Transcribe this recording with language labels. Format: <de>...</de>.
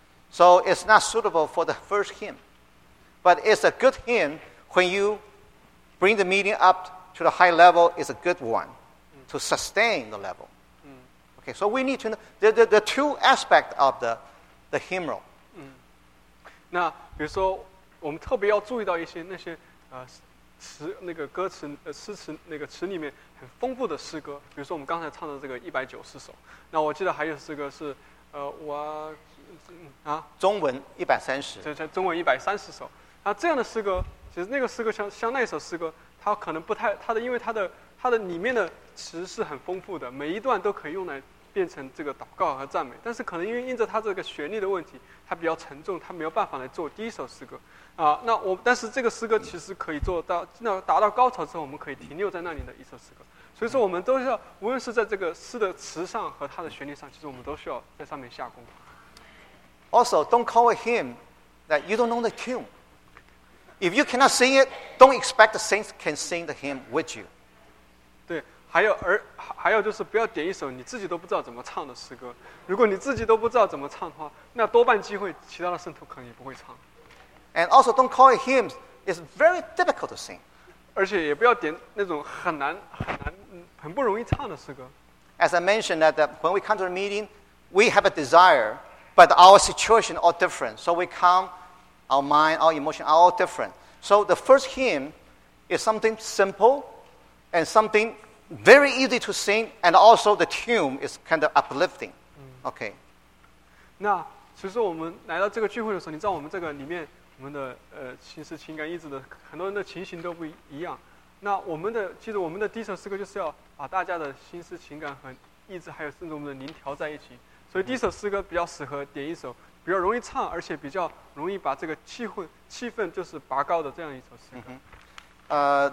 <en>So it's not suitable for the first hymn. But it's a good hymn when you bring the meeting up to the high level. It's a good one to sustain the level. Okay, so we need to know the two aspects of the hymnal.</en> <zh>那比如说，我们特别要注意到一些那些词那个歌词诗词那个词里面很丰富的诗歌，比如说我们刚才唱的这个190首。那我记得还有诗歌是我啊，中文130。这中文130首。那这样的诗歌，其实那个诗歌像那首诗歌，它可能不太它的，因为它的里面的词是很丰富的，每一段都可以用来变成这个祷告和赞美。但是可能因着它这个旋律的问题，它比较沉重，它没有办法来做第一首诗歌。但是这个诗歌其实可以做到，那达到高潮之后，我们可以停留在那里的一首诗歌。所以说，我们都要，无论是在这个诗的词上和它的旋律上，其实我们都需要在上面下功夫。</zh> <en>Also, don't call a hymn that you don't know the tune. If you cannot sing it, don't expect the saints can sing the hymn with you.</en> <zh>对，还有就是不要点一首你自己都不知道怎么唱的诗歌。如果你自己都不知道怎么唱的话，那多半机会其他的圣徒可能也不会唱。</zh> <en>And also, don't call it hymns. It's very difficult to sing.</en> <zh>而且也不要点那种很难很不容易唱的诗歌。</zh> <en>As I mentioned that when we come to the meeting, we have a desire, but our situation are different. So we come. Our mind, our emotion are all different. So the first hymn is something simple and something very easy to sing, and also the tune is kind of uplifting. Okay.</en> <zh>那其实我们来到这个聚会的时候，你知道我们这个里面我们的心思情感意志的很多人的情形都不一样。那我们的其实我们的第一首诗歌就是要把大家的心思情感和意志还有甚至我们的灵调在一起。所以第一首诗歌比较适合点一首。比较容易唱，而且比较容易把这个气氛就是拔高的这样一首诗歌。</zh>